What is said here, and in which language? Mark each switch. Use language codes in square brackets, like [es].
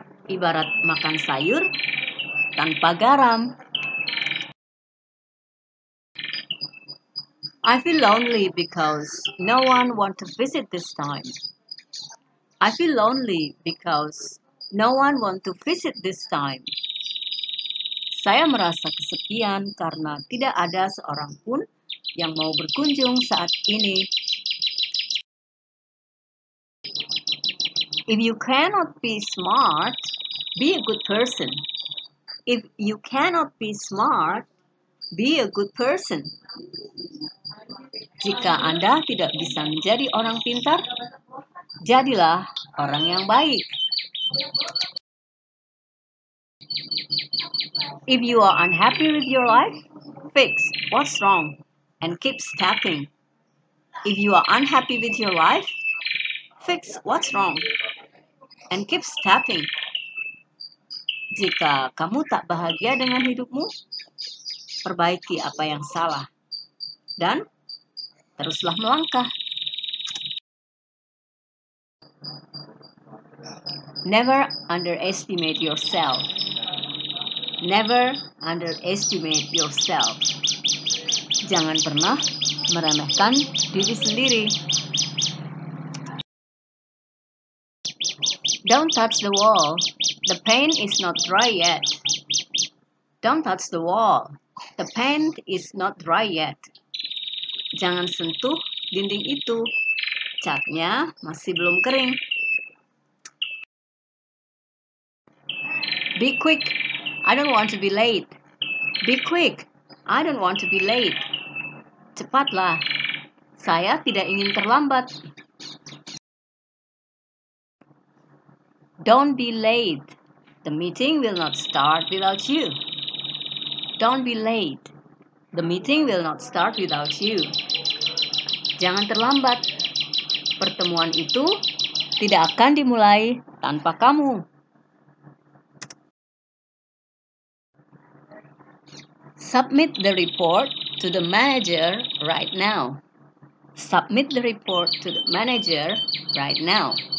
[id] Ibarat makan sayur tanpa garam. [en] I feel lonely because no one wants to visit this time. I feel lonely because no one wants to visit this time. [id] Saya merasa kesepian karena tidak ada seorang pun yang mau berkunjung saat ini. [en] If you cannot be smart, be a good person. If you cannot be smart, be a good person. [id] Jika Anda tidak bisa menjadi orang pintar, jadilah orang yang baik. [en] If you are unhappy with your life, fix what's wrong and keep stepping. If you are unhappy with your life, fix what's wrong and keep stepping. [id] Jika kamu tak bahagia dengan hidupmu, perbaiki apa yang salah dan teruslah melangkah. [en] Never underestimate yourself. Never underestimate yourself. [id] Jangan pernah meremehkan diri sendiri. [en] Don't touch the wall. The paint is not dry yet. Don't touch the wall. The paint is not dry yet. [id] Jangan sentuh dinding itu. Catnya masih belum kering. [en] Be quick. I don't want to be late. Be quick. I don't want to be late. [id] Cepatlah. Saya tidak ingin terlambat. [en] Don't be late. The meeting will not start without you. Don't be late. The meeting will not start without you. [id] Jangan terlambat. Pertemuan itu tidak akan dimulai tanpa kamu. [en] Submit the report to the manager right now. Submit the report to the manager right now.